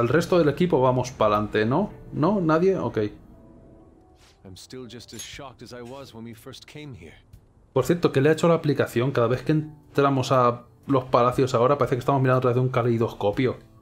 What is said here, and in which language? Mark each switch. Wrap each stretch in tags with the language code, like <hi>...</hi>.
<es>El resto del equipo vamos para adelante, ¿no? ¿No? ¿Nadie? Ok.</es> <en>I'm still just as shocked as I was when we first came here.</en> <es>Por cierto, ¿qué le ha hecho la aplicación? Cada vez que entramos a... los palacios ahora parece que estamos mirando a través de un caleidoscopio.</es>